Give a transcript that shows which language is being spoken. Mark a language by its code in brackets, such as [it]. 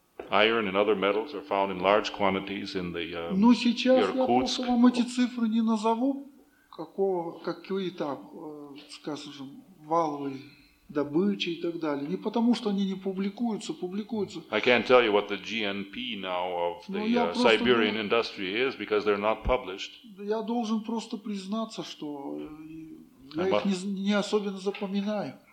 [en] Iron and other metals are found in large quantities in the Иркутск. [ru] Ну сейчас я просто вам эти цифры не назову, какого, какой там, скажем, валовой добычи и так далее. Не потому, что они не публикуются, публикуются. [en] I can't tell you what the GNP now of the Siberian industry is, because they're not published. [ru] Я должен просто признаться, что я их не особенно запоминаю.